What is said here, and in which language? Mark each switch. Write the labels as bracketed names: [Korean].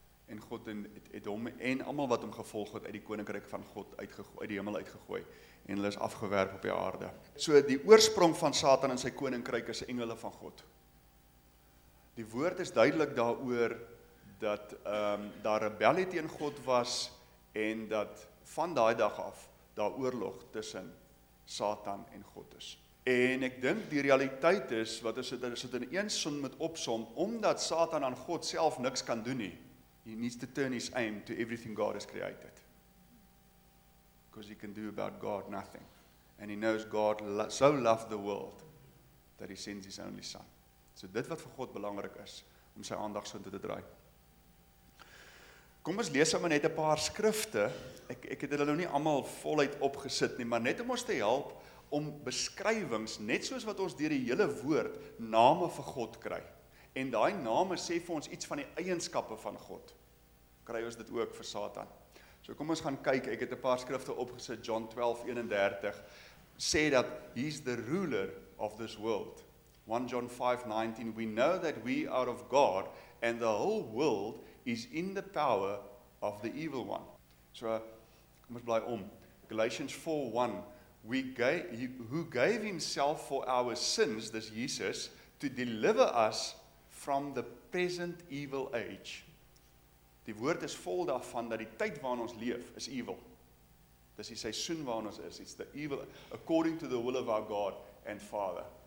[Afrikaans] En God het hom en almal wat hom gevolg het uit die koninkryk van God uit die hemel uitgegooi en hulle is afgewerp op die aarde. So die oorsprong van Satan en sy koninkryk is engele van God. Die woord is duidelik daaroor dat daar rebellie teen God was en dat van daai dag af daar oorlog tussen Satan en God is. En ek dink die realiteit is, wat is dit in een sin met opsom, omdat Satan aan God self niks kan doen nie, [English] he needs to turn his aim to everything God has created. Because he can do about God nothing. And he knows God so loved the world that he sends his only son. [Afrikaans] So dit wat vir God belangrik is, om sy aandag so te draai. Kom ons lees sommer net 'n paar skrifte. Ek het hulle nou nie allemaal voluit opgesit nie, maar net om ons te help om beskrywings, net soos wat ons deur die hele woord, name vir God kry. En daai name sê vir ons iets van die eienskappe van God. Kry ons dit ook vir Satan. So kom ons gaan kyk, ek het 'n paar skrifte opgesit, John 12:31, sê dat [English] he is the ruler of this world. 1 John 5:19, we know that we are of God, and the whole world is in the power of the evil one. [Afrikaans] So, kom ons bly om. [English] Galatians 4:1, who gave himself for our sins, this Jesus, to deliver us from the present evil age. [Afrikaans] Die woord is vol daarvan dat die tyd waarin ons leef is evil. Dis die seisoen waarin ons is. [English] It's the evil according to the will of our God and Father.